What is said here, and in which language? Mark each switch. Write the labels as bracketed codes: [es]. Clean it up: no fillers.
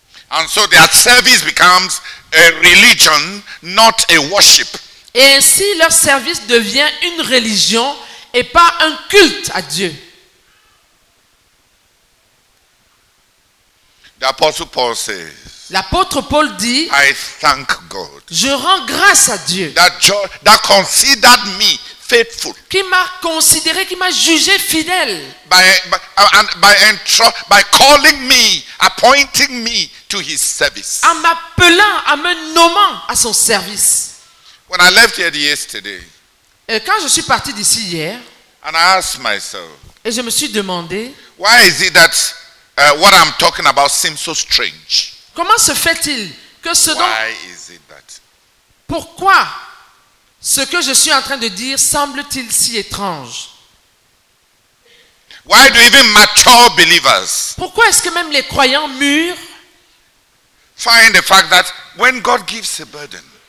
[en] And so their service becomes a religion, not a worship. [fr] Et ainsi leur service devient une religion et pas un culte à Dieu. L'apôtre [en] Paul says. [fr] L'apôtre Paul dit. [en] I thank God. [fr] Je rends grâce à Dieu. [en] That considered me faithful. [fr] Qui m'a considéré, qui m'a jugé fidèle. [en] By calling me, appointing me to his service. [fr] En m'appelant, en me nommant à son service. [en] When I left here yesterday. [fr] Et quand je suis parti d'ici hier. [en] And I asked myself. [fr] Et je me suis demandé. [en] Why is it that what I'm talking about seems so strange? [fr] Comment se fait-il que ce [en] Why [fr] dont [en] is it that? [fr] Pourquoi ce que je suis en train de dire semble-t-il si étrange? [en] Why do even mature believers? [fr] Pourquoi est-ce que même les croyants mûrs [en] find the fact that when God gives a burden,